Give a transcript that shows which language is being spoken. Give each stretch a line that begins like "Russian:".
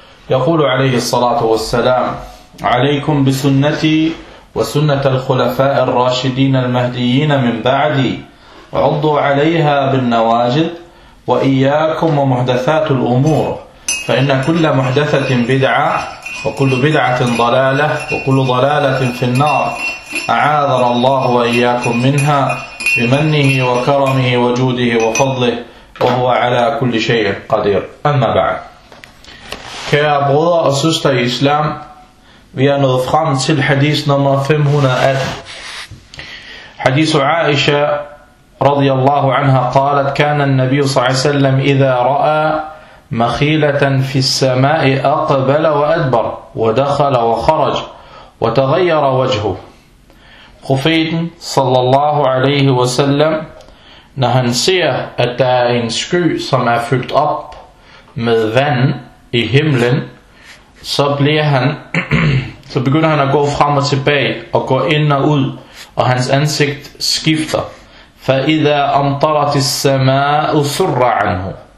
Arabic: يقول عليه الصلاة والسلام: عليكم بسنتي وسنة الخلفاء الراشدين المهديين من بعدي، عضوا عليها بالنواجذ، وإياكم ومحدثات الأمور، فإن كل محدثة بدعة، وكل بدعة ضلالة، وكل ضلالة في النار، أعاذنا الله وإياكم منها بمنه وكرمه وجوده وفضله وهو على كل شيء قدير. أما بعد.
Danish: Kære brødre og søster i islam, vi er nået frem til hadith nummer 518.
Arabic: Hadith Aisha رضي الله عنها قالت: كان النبي صلى الله عليه وسلم إذا رأى مخيلة في السماء أقبل وأدبر ودخل وخرج وتغير وجهه.
Danish: Profeten sallallahu alaihi wasallam, når han ser, at der er en sky, som er fyldt op med vand i himlen, så bliver han, så begynder han at gå frem og tilbage og gå ind og ud, og hans ansigt skifter.
Arabic: فَإِذَا أَمْطَرَتِ السَّمَاءُ سُرَّ عَنْهُ.